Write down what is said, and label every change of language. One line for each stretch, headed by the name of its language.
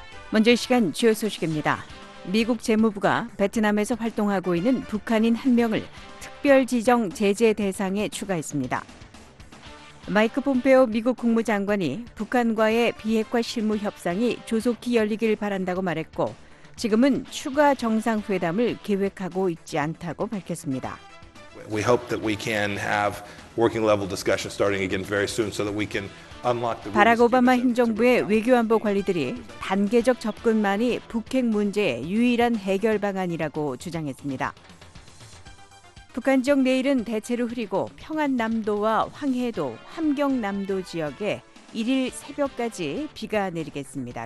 Korean: 먼저 이 시간 주요 소식입니다. 미국 재무부가 베트남에서 활동하고 있는 북한인 한 명을 특별 지정 제재 대상에 추가했습니다. 마이크 폼페오 미국 국무장관이 북한과의 비핵화 실무 협상이 조속히 열리길 바란다고 말했고 지금은 추가 정상회담을 계획하고 있지 않다고 밝혔습니다.
English: We hope that we can have working level discussion starting again very soon so that we can unlock the
Korean: 바락 오바마 행정부의 외교 안보 관리들이 단계적 접근만이 북핵 문제의 유일한 해결 방안이라고 주장했습니다. 북한 지역 내일은 대체로 흐리고 평안남도와 황해도, 함경남도 지역에 1일 새벽까지 비가 내리겠습니다.